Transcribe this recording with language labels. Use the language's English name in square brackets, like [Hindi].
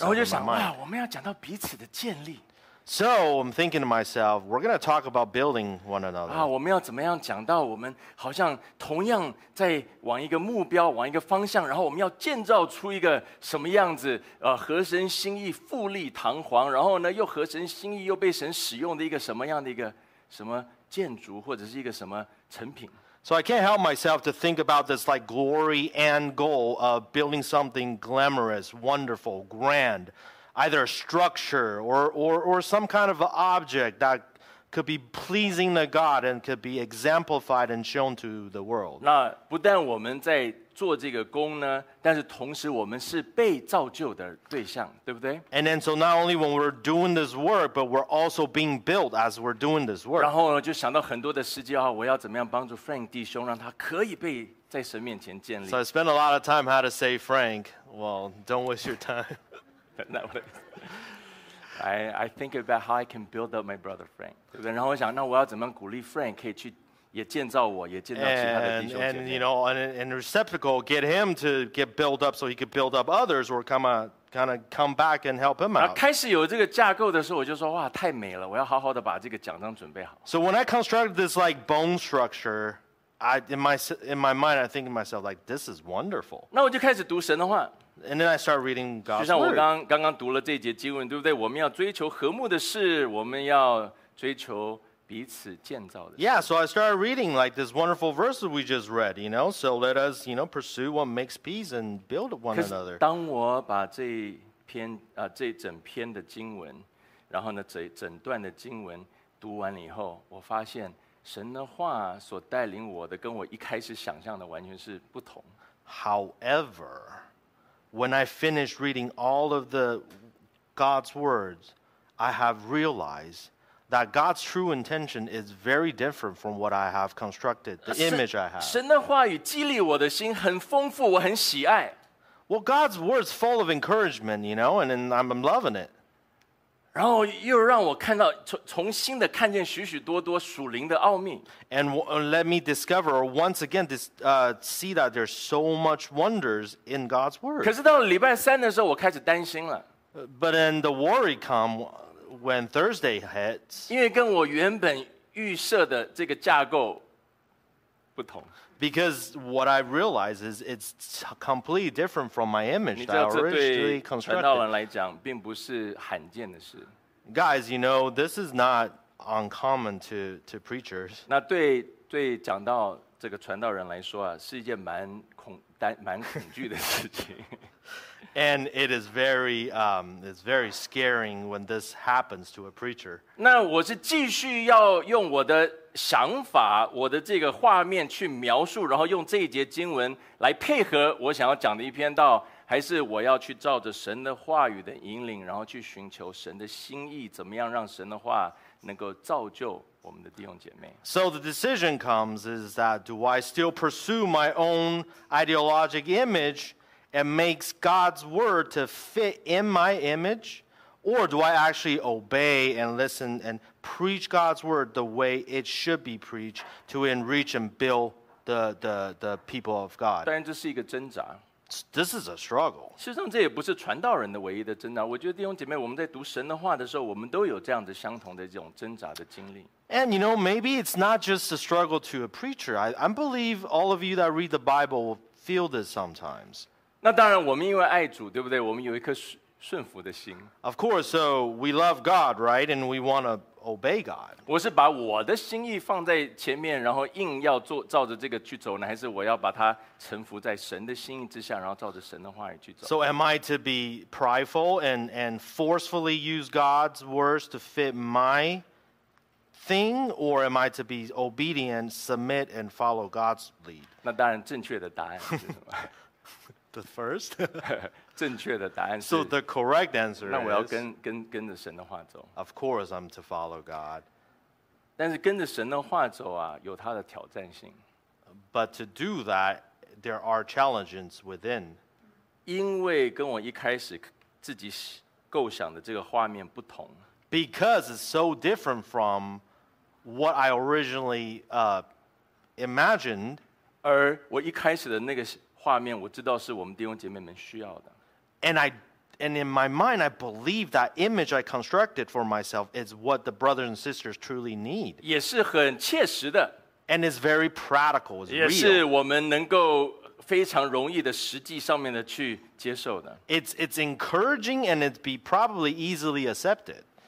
[Chinese] 然后就想哇，我们要讲到彼此的建立。 [English] So I'm thinking to myself, we're going to talk about building one another. [Chinese] 我们要怎么样讲到我们好像同样在往一个目标，往一个方向，然后我们要建造出一个什么样子？合神心意、富丽堂皇，然后呢又合神心意又被神使用的一个什么样的一个什么建筑或者是一个什么成品？ [English] So I can't help myself to think about this like glory and goal of building something glamorous, wonderful, grand, either a structure or some kind of object that could be pleasing to God and could be exemplified and shown to the world. [Chinese] 那不但我们在做这个工呢，但是同时我们是被造就的对象，对不对？ [English] And then so not only when we're doing this work, but we're also being built as we're doing this work. [Chinese] 然后呢，就想到很多的时机啊，我要怎么样帮助 Frank 弟兄，让他可以被在神面前建立。 [English] So I spent a lot of time how to say Frank. Well, don't waste your time. That was. I think about how I can build up my brother Frank. [Chinese] 对不对？然后我想，那我要怎么样鼓励 Frank 可以去。也建造我，也建造其他的弟兄姐妹。 [English] And you know, and receptacle, get him to get built up so he could build up others or come out, kind of come back and help him out. [Chinese] 开始有这个架构的时候，我就说哇，太美了，我要好好的把这个奖章准备好。 [English] So when I constructed this like bone structure, in my mind, I think to myself like this is wonderful. [Chinese] 那我就开始读神的话。 [English] And then I start reading God's word. [Chinese] 就像我刚刚读了这节经文，对不对？我们要追求和睦的事，我们要追求彼此建造的事。 [English] Yeah, so I started reading like this wonderful verse we just read. You know, so let us, you know, pursue what makes peace and build one another. [Chinese] 当我把这篇啊这整篇的经文，然后呢整段的经文读完了以后，我发现神的话所带领我的，跟我一开始想象的完全是不同。 [English] However. When I finished reading all of the God's words, I have realized that God's true intention is very different from what I have constructed, the image I have. [Chinese] 神的话语激励我的心很丰富，我很喜爱。 [English] Well, God's words full of encouragement, you know, and I'm loving it. [Chinese] 然后又让我看到重新的看见许许多多属灵的奥秘。 [English] And let me discover once again this, see that there's so much wonders in God's word. [Chinese] 可是到礼拜三的时候，我开始担心了。 [English] But then the worry come when Thursday hits. [Chinese] 因为跟我原本预设的这个架构不同。 [English] Because what I realize is it's completely different from my image that I originally constructed. [Chinese] 传道人来讲，并不是罕见的事。 [English] Guys, you know, this is not uncommon to preachers. [Chinese] 那对讲到这个传道人来说啊，是一件蛮恐惧的事情。 [English] And it is very scaring when this happens to a preacher. [Chinese] 那我是继续要用我的想法，我的这个画面去描述，然后用这一节经文来配合我想要讲的一篇道，还是我要去照着神的话语的引领，然后去寻求神的心意，怎么样让神的话能够造就我们的弟兄姐妹。 [English] So the decision comes is that do I still pursue my own ideologic image and makes God's word to fit in my image, or do I actually obey and listen and preach God's word the way it should be preached to enrich and build the people of God? [Chinese] 当然这是一个挣扎。 [English] This is a struggle. [Chinese] 事实上这也不是传道人的唯一的挣扎。我觉得弟兄姐妹，我们在读神的话的时候，我们都有这样的相同的这种挣扎的经历。 [English] And you know, maybe it's not just a struggle to a preacher. I believe all of you that read the Bible will feel this sometimes. [Chinese] 那当然我们因为爱主，对不对？我们有一颗顺服的心。 [English] Of course, so we love God, right? And we want to obey God. [Chinese] 我是把我的心意放在前面，然后硬要做照着这个去走呢，还是我要把它臣服在神的心意之下，然后照着神的话语去走？ [English] So am I to be prideful and forcefully use God's words to fit my thing, or am I to be obedient, submit, and follow God's lead? [Chinese] 那当然，正确的答案是什么？ [English] The first, [Chinese] 正确的答案是。 [English] So the correct answer is. [Chinese] 那我要跟着神的话走。 [English] Of course, I'm to follow God. [Chinese] 但是跟着神的话走啊，有它的挑战性。 [English] But to do that, there are challenges within. [Chinese] 因为跟我一开始自己构想的这个画面不同。 [English] Because it's so different from what I originally imagined. [Chinese] 而我一开始的那个。画面我知道是我们弟兄姐妹们需要的。 [English] And in my mind, I believe that image I constructed for myself is what the brothers and sisters truly need. [Chinese] 也是很切实的。 [English] And it's very practical, it's real. [Chinese] 也是我们能够非常容易的实际上面的去接受的。 [English] It's encouraging and it'd be probably easily accepted.